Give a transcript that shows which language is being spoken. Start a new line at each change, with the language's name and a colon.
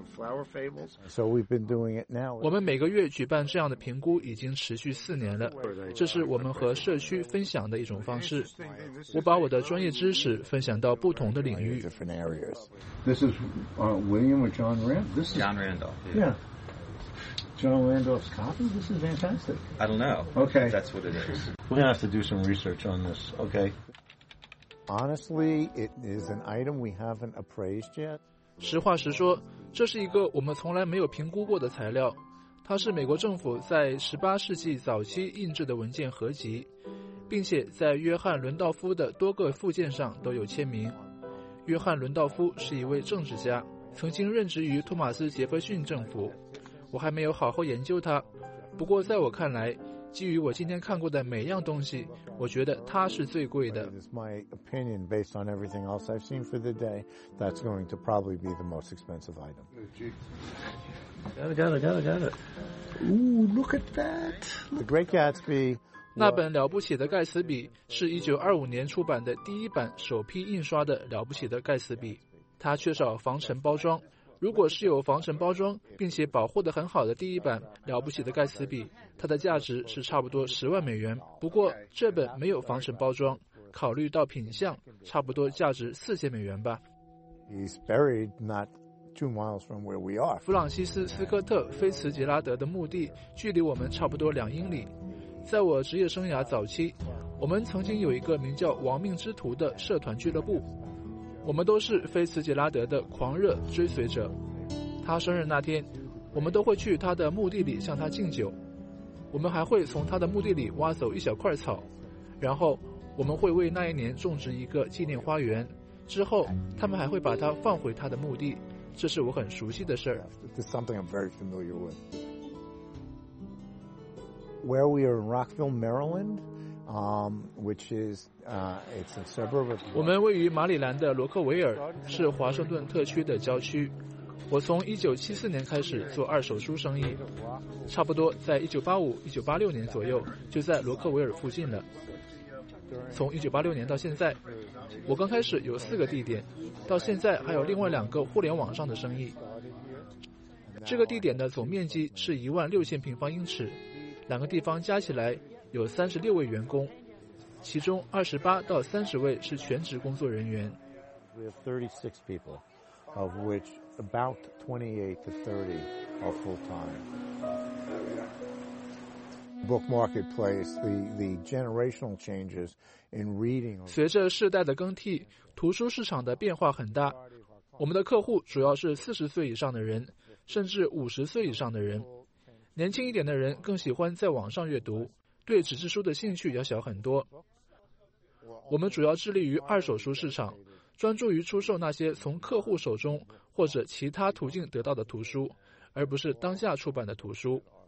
Chinese: 我们每个月举办这样的评估已经持续4年了，这是我们和社区分享的一种方式。我把我的专业知识分享到不同的领域。
English: This is William or John Randolph? This is John Randolph. Yeah. John Randolph's copy? This is fantastic. I don't know. Okay. That's what it is. We're going to have to do some research on this, okay? Honestly, it is an item we haven't appraised yet.
Chinese: 实话实说，这是一个我们从来没有评估过的材料。它是美国政府在18世纪早期印制的文件合集，并且在约翰·伦道夫的多个附件上都有签名。约翰·伦道夫是一位政治家，曾经任职于托马斯·杰弗逊政府。我还没有好好研究他，不过在我看来，基于我今天看过的每样东西，我觉得它是最贵的。
English: It's my opinion based on everything else I've seen for the day. That's going to probably be the most expensive item. Got it. Ooh, look at that. The Great Gatsby.
Chinese: 那本《了不起的盖茨比》是1925年出版的第一版首批印刷的《了不起的盖茨比》，它缺少防尘包装。如果是有防尘包装并且保护得很好的第一版《了不起的盖茨比》，它的价值是差不多$100,000。不过这本没有防尘包装，考虑到品相，差不多价值$4,000吧。
English: He's buried not 2 miles from where we are.
Chinese: 弗朗西斯·斯科特·菲茨杰拉德的墓地距离我们差不多2英里。在我职业生涯早期，我们曾经有一个名叫“亡命之徒”的社团俱乐部。我们都是菲茨杰拉德的狂热追随者，他生日那天我们都会去他的墓地里向他敬酒，我们还会从他的墓地里挖走一小块草，然后我们会为那一年种植一个纪念花园，之后他们还会把它放回他的墓地，这是我很熟悉的事。
English: This is something I'm very familiar with. Where we are in Rockville, Maryland, which is it's a suburb of.
Chinese: 我们位于马里兰的罗克维尔，是华盛顿特区的郊区。我从1974年开始做二手书生意，差不多在1985-1986年左右就在罗克维尔附近了。从1986年到现在，我刚开始有4个地点，到现在还有另外2个互联网上的生意。这个地点的总面积是16,000平方英尺，两个地方加起来有36位员工。其中28到30位是全职工作人员。
English: We have 36 people, of which about 28 to 30 are full-time. Book marketplace, the generational changes in reading.
Chinese: 随着世代的更替，图书市场的变化很大。我们的客户主要是40岁以上的人，甚至50岁以上的人。年轻一点的人更喜欢在网上阅读，对纸质书的兴趣要小很多。我们主要致力于二手书市场，专注于出售那些从客户手中或者其他途径得到的图书，而不是当下出版的图书。